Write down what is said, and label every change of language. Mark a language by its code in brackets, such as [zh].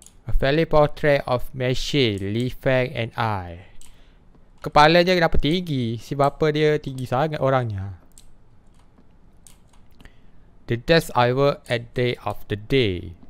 [en] A family portrait of Michelle, Li Feng and I. [ms] Kepalanya kenapa tinggi? Si bapa dia tinggi sangat orangnya. [en] The desk I work at day of the day.